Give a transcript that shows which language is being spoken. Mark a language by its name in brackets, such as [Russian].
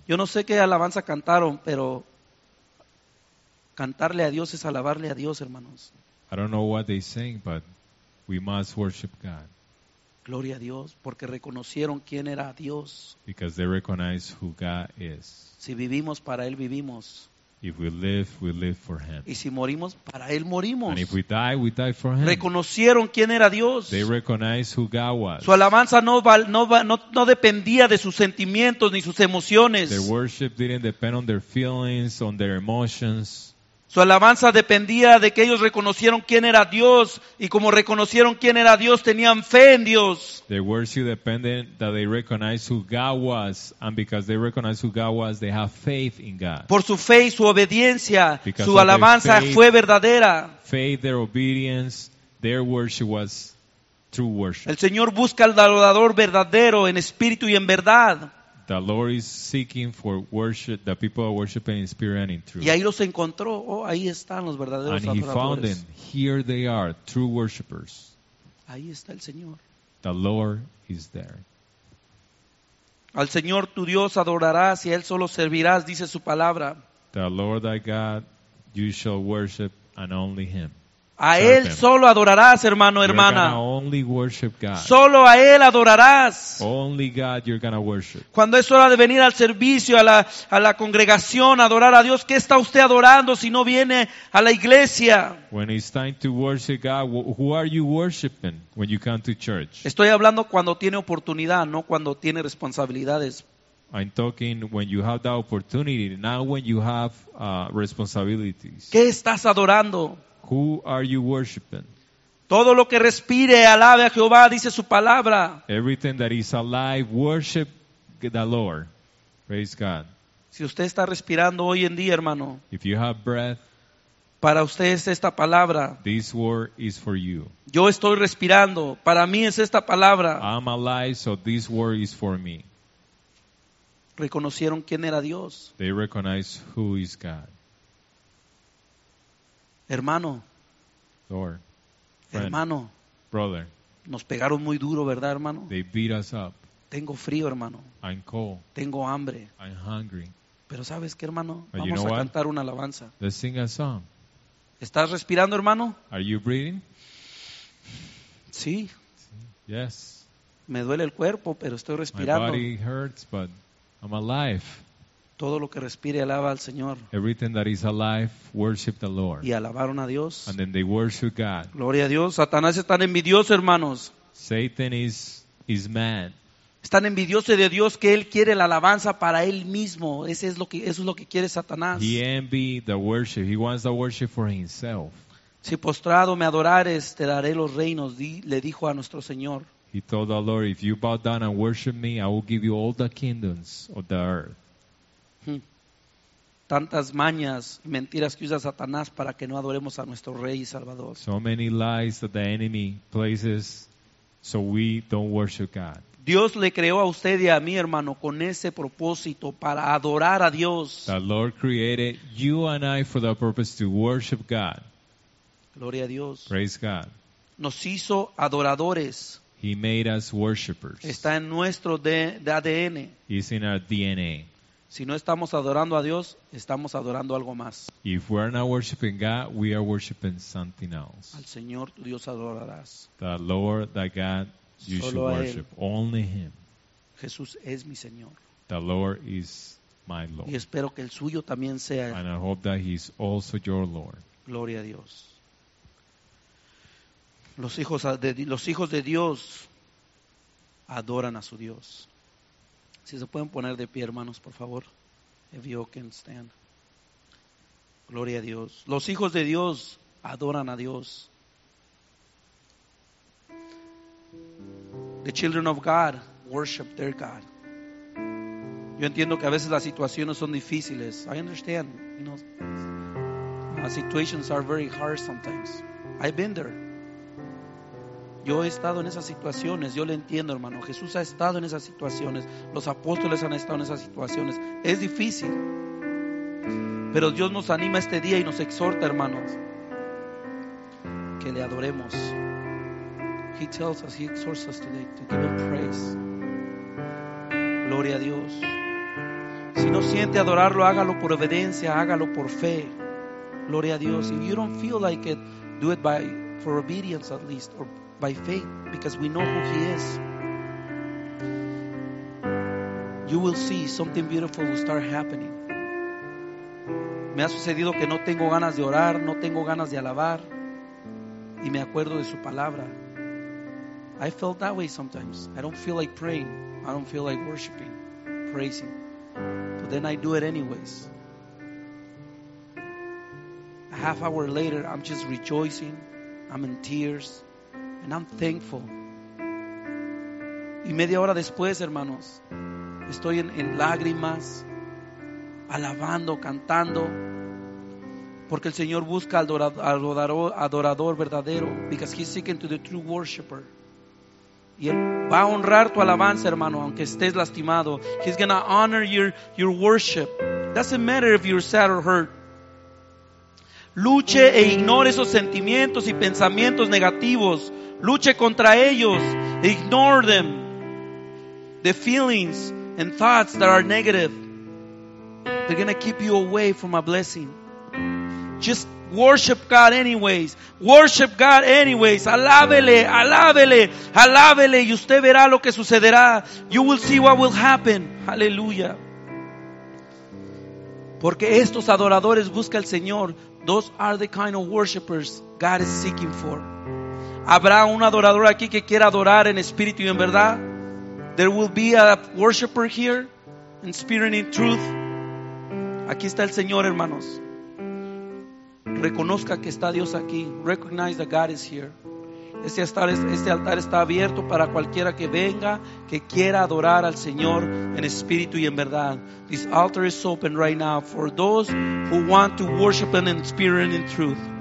[Spanish] Yo no sé qué alabanza cantaron, pero cantarle a Dios es alabarle a Dios, hermanos. [English] I don't know what they sing, but we must worship God. [Spanish] Gloria a Dios, porque reconocieron quién era Dios. [English] Because they recognize who God is. [Spanish] Si vivimos para Él, vivimos. [English] If we live for Him. [Spanish] Y si morimos, para Él morimos. [English] And if we die for Him. [Spanish] Reconocieron quién era Dios. [English] They recognize who God was. [Spanish] Su alabanza no dependía de sus sentimientos ni sus emociones. [English] Their worship didn't depend on their feelings, on their emotions. [Spanish] Su alabanza dependía de que ellos reconocieron quién era Dios, y como reconocieron quién era Dios, tenían fe en Dios. [English] Their worship depended that they recognized who God was, and because they recognized who God was, they have faith in God. [Spanish] Por su fe y su obediencia, [English] because [Spanish] su alabanza faith, fue verdadera. [English] Faith, their obedience, their worship was true worship. [Spanish] El Señor busca al adorador verdadero en espíritu y en verdad. [English] The Lord is seeking for worship, the people are worshiping in spirit and in truth. [Spanish] Y ahí los encontró. Oh, ahí están los verdaderos [English] and [Spanish] adoradores. [English] And he found them. Here they are, true worshipers. [Spanish] Ahí está el Señor. [English] The Lord is there. [Spanish] Al Señor tu Dios adorarás y a Él solo servirás, dice su palabra. [English] The Lord thy God, you shall worship and only Him. [Spanish] A Él solo adorarás, hermano, hermana. [English] You're gonna only worship God. [Spanish] Solo a Él adorarás. [English] Only God you're gonna worship. [Spanish] Cuando es hora de venir al servicio, a la congregación, a adorar a Dios, ¿qué está usted adorando si no viene a la iglesia? [English] When it's time to worship God, who are you worshiping when you come to church? [Spanish] Estoy hablando cuando tiene oportunidad, no cuando tiene responsabilidades. [English] I'm talking when you have the opportunity, not when you have responsibilities. [Spanish] ¿Qué estás adorando? [English] Who are you worshiping? [Spanish] Todo lo que respire, alabe a Jehová, dice su palabra. [English] Everything that is alive, worship the Lord. Praise God. [Spanish] Si usted está respirando hoy en día, hermano, [English] if you have breath, [Spanish] para usted es esta palabra. [English] This word is for you. [Spanish] Yo estoy respirando, para mí es esta palabra. [English] I'm alive, so this word is for me. [Spanish] Reconocieron quién era Dios. [English] They recognize who is God. [Spanish] Hermano, [English] Lord, [Spanish] hermano, [English] brother, [Spanish] nos pegaron muy duro, ¿verdad, hermano? [English] They beat us up. [Spanish] Tengo frío, hermano. [English] I'm cold. [Spanish] Tengo hambre. [English] I'm hungry. [Spanish] Pero ¿sabes qué, hermano? [English] But [Spanish] vamos [English] you know [Spanish] a [English] what? [Spanish] Cantar una alabanza. [English] Let's sing a song. [Spanish] ¿Estás respirando, hermano? [English] Are you breathing? [Spanish] Sí. [English] Yes. [Spanish] Me duele el cuerpo, pero estoy respirando. [English] My body hurts, but I'm alive. [Spanish] Todo lo que respire alaba al Señor. [English] Everything that is alive, worship the Lord. [Spanish] Y alabaron a Dios. [English] And then they worship God. [Spanish] Gloria a Dios. Satanás es tan envidioso, hermanos. [English] Satan is mad. [Spanish] Es tan envidioso de Dios que él quiere la alabanza para él mismo. Eso es lo que quiere Satanás. [English] He envy the worship. He wants the worship for himself. [Spanish] Si postrado me adorares, te daré los reinos, le dijo a nuestro Señor. [English] He told the Lord, if you bow down and worship me, I will give you all the kingdoms of the earth. [Spanish] Tantas mañas y mentiras que usa Satanás para que no adoremos a nuestro Rey y Salvador. [English] So many lies that the enemy places so we don't worship God. [Spanish] Dios le creó a usted y a mí, hermano, con ese propósito para adorar a Dios. [English] The Lord created you and I for the purpose to worship God. [Spanish] Gloria a Dios. [English] Praise God. [Spanish] Nos hizo adoradores. [English] He made us worshipers. [Spanish] Está en nuestro de ADN. [English] It's in our DNA. [Spanish] Si no estamos adorando a Dios, estamos adorando algo más. [English] If we are not worshiping God, we are worshiping something else. [Spanish] Al Señor tu Dios adorarás. [English] The Lord, the God, you [Spanish] solo [English] should worship. [Spanish] A Él. [English] Only Him. [Spanish] Jesús es mi Señor. [English] The Lord is my Lord. [Spanish] Y espero que el suyo también sea. [English] And I hope that He is also your Lord. [Spanish] Gloria a Dios. Los hijos de Dios adoran a su Dios. Si se pueden poner de pie, hermanos, por favor. [English] If you can stand. [Spanish] Gloria a Dios. Los hijos de Dios adoran a Dios. [English] The children of God worship their God. [Spanish] Yo entiendo que a veces las situaciones son difíciles. [English] I understand. You know, situations are very hard sometimes. I've been there. [Spanish] Yo he estado en esas situaciones, yo le entiendo, hermano. Jesús ha estado en esas situaciones, los apóstoles han estado en esas situaciones. Es difícil, pero Dios nos anima este día y nos exhorta, hermanos, que le adoremos. [English] He tells us, he exhorts us today to give him praise. [Spanish] Gloria a Dios. Si no siente adorarlo, hágalo por obediencia, hágalo por fe. Gloria a Dios. [English] If you don't feel like it, do it for obedience at least, or by faith, because we know who he is. You will see something beautiful will start happening. [Spanish] Me ha sucedido que no tengo ganas de orar, no tengo ganas de alabar, y me acuerdo de su palabra. [English] I felt that way sometimes. I don't feel like praying, I don't feel like worshiping, praising, but then I do it anyways. half hour later, I'm just rejoicing. I'm in tears. And I'm thankful. [Spanish] Y media hora después, hermanos, estoy en lágrimas, alabando, cantando, porque el Señor busca al adorador verdadero, [English] because he's seeking to the true worshiper. [Spanish] Y Él va a honrar tu alabanza, hermano, aunque estés lastimado. [English] He's going to honor your worship. Doesn't matter if you're sad or hurt. [Spanish] Luche e ignore esos sentimientos y pensamientos negativos. Luche contra ellos. [English] Ignore them. The feelings and thoughts that are negative, they're going to keep you away from a blessing. Just worship God anyways. Worship God anyways. [Spanish] Alábele, alábele, alábele. Y usted verá lo que sucederá. [English] You will see what will happen. [Spanish] Hallelujah. [English] Porque estos adoradores busca el Señor. Those are the kind of worshipers God is seeking for. [Spanish] ¿Habrá un adorador aquí que quiera adorar en espíritu y en verdad? [English] There will be a worshiper here in spirit and in truth. [Spanish] Aquí está el Señor, hermanos. Reconozca que está Dios aquí. [English] Recognize that God is here. [Spanish] Este altar está abierto para cualquiera que venga, que quiera adorar al Señor en espíritu y en verdad. [English] This altar is open right now for those who want to worship Him in spirit and in truth.